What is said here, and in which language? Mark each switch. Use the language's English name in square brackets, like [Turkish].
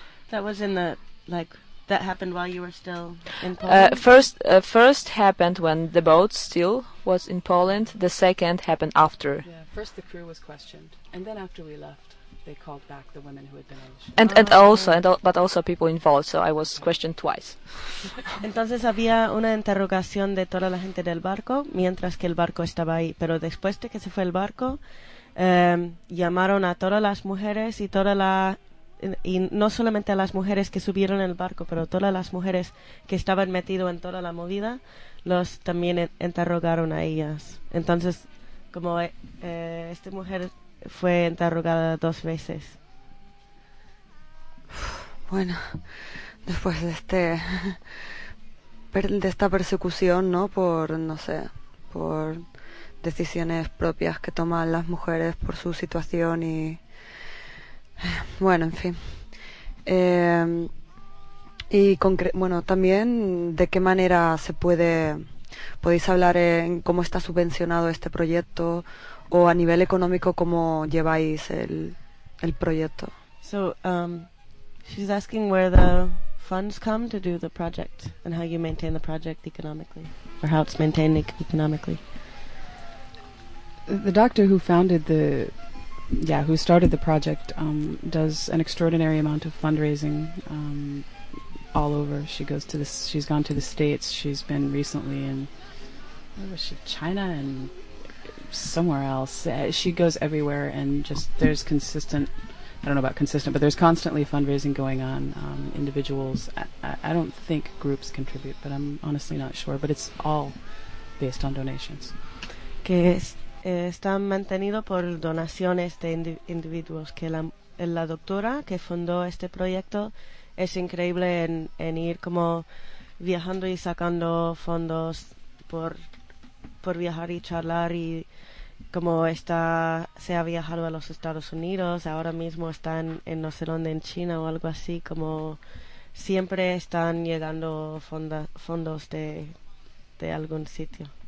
[English] That was in the, like, that happened while you were still in Poland? First happened when the boat still was in Poland. The second happened after. Yeah, first the crew was questioned. And then after we left, they called back the women who had been on the ship. And also people involved, so I was questioned twice. [Spanish] Entonces había una interrogación de toda la gente del barco mientras que el barco estaba ahí, pero después de que se fue el barco, llamaron a todas las mujeres y y no solamente a las mujeres que subieron el barco, pero todas las mujeres que estaban metidas en toda la movida, los también interrogaron a ellas. Entonces, como esta mujer fue interrogada dos veces. Bueno, después de esta persecución, ¿no? Por decisiones propias que toman las mujeres por su situación y bueno, en fin. Y también de qué manera podéis hablar en cómo está subvencionado este proyecto. O a nivel económico, ¿cómo lleváis el proyecto? [English] So, she's asking where the funds come to do the project and how you maintain the project economically, or how it's maintained economically. The doctor who founded who started the project, does an extraordinary amount of fundraising all over. She's gone to the States. She's been recently in, where was she, China and somewhere else. She goes everywhere and just there's consistent, I don't know about consistent, but there's constantly fundraising going on. Individuals, I don't think groups contribute, but I'm honestly not sure, but it's all based on donations. [Spanish] Que está mantenido por donaciones de individuos, que la doctora que fundó este proyecto es increíble en ir como viajando y sacando fondos por viajar y charlar, y como se ha viajado a los Estados Unidos, ahora mismo están en no sé dónde, en China o algo así, como siempre están llegando fondos de algún sitio.